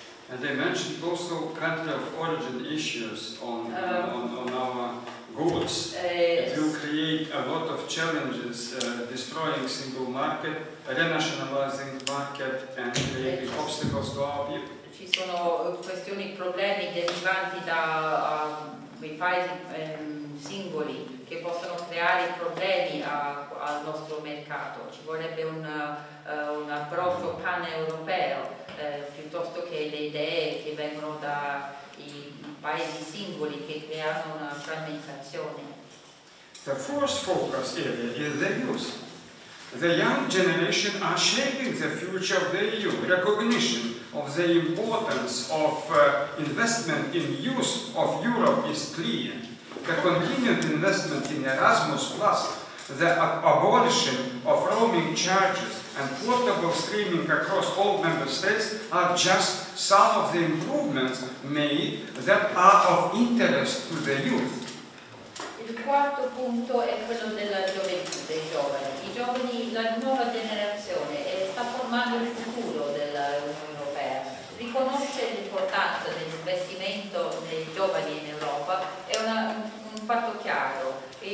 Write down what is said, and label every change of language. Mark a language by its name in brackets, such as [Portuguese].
[English] And they mentioned also country of origin issues on our goods. It will create a lot of challenges, destroying single market, renationalizing market, and creating obstacles to our people. [Italian] Ci sono questioni, problemi derivanti da quei paesi singoli che possono creare problemi al nostro mercato. Ci vorrebbe un approccio paneuropeo piuttosto che le idee che vengono dai paesi singoli che creano una frammentazione. [English] The fourth focus area is the youth. The young generation are shaping the future of the EU. Recognition of the importance of investment in youth of Europe is clear. The continued investment in Erasmus Plus, the abolition of roaming charges and portable streaming across all member states are just some of the improvements made that are of interest to the youth. [Italian] Il quarto punto è quello della gioventù, dei giovani. I giovani, la nuova generazione, sta formando il futuro dell'Unione Europea. Riconosce l'importanza dell'investimento nei giovani in Europa è un fatto chiaro.